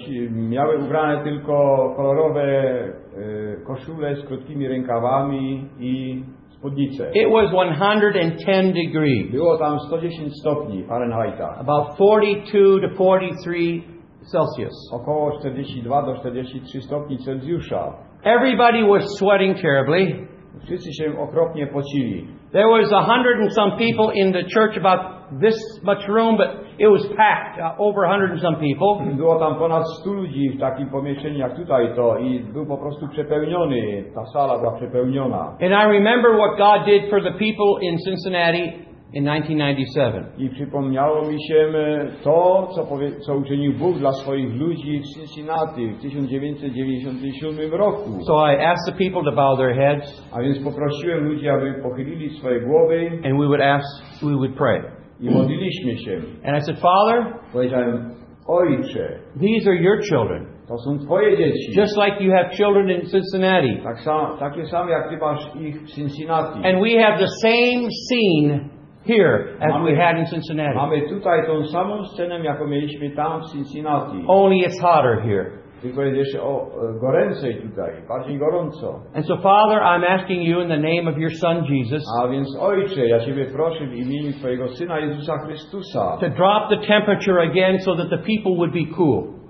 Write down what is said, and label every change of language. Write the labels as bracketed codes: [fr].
[pl] Miały ubrane tylko kolorowe koszule z krótkimi rękawami i spódnice. [en] It was 110 degrees. [pl] Było tam 110 stopni Fahrenheita. [en] About 42 to 43 Celsius. [pl] Około 42 do 43 stopni Celsjusza. [en] Everybody was sweating terribly. [pl] Wszyscy się okropnie pocili. [en] There was 100 and some people in the church, about this much room, but it was packed. Over 100 and some people. [pl] Było tam ponad 100 ludzi w takim pomieszczeniu jak tutaj to i był po prostu przepełniony. Ta sala była przepełniona. [en] And I remember what God did for the people in Cincinnati. In 1997. [pl] I przypomniało mi się to, co uczynił Bóg dla swoich ludzi w Cincinnati w 1997 roku. [en] So I asked the people to bow their heads. [pl] A więc poprosiłem ludzi, aby pochylili swoje głowy. [en] And we would ask, we would pray. [pl] I modliliśmy się. [en] And I said, Father. [pl] Powiedziałem, Ojcze. [en] These are your children. [pl] To są twoje dzieci. [en] Just like you have children in Cincinnati. [pl] Takie same jak ty masz ich w Cincinnati. [en] And we have the same scene. Here, as we had in Cincinnati. [pl] Mamy tutaj tą samą scenę, jaką mieliśmy tam w Cincinnati. [en] Only it's hotter here. [pl] Tylko jest jeszcze goręcej tutaj, bardziej gorąco. [en] And so, Father, I'm asking you in the name of your Son Jesus. [pl] A więc, Ojcze, ja Ciebie proszę w imieniu Twojego Syna Jezusa Chrystusa. [en] To drop the temperature again, so that the people would be cool.